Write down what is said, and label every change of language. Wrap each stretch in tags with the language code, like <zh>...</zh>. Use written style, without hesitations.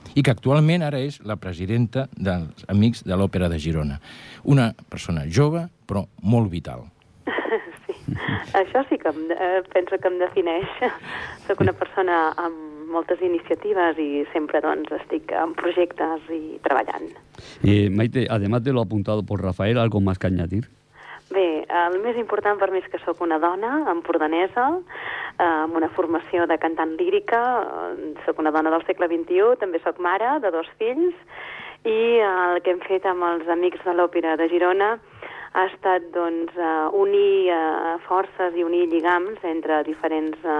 <ca>I que actualment ara és la presidenta dels Amics de l'Òpera de Girona. Una persona jove, però molt vital. Sí, això sí que penso que em defineix. Soc una persona amb moltes iniciatives i sempre doncs, estic en projectes i treballant.</ca> <es>I Maite, además de lo apuntado por Rafael, ¿algo más que añadir?</es> <ca>Bé, el més important per mi és que sóc una dona empordanesa, amb una formació de cantant lírica, sóc una dona del segle XXI, també sóc mare de dos fills, i el que hem fet amb els Amics de l'Òpera de Girona ha estat doncs, unir forces i unir lligams entre diferents</ca>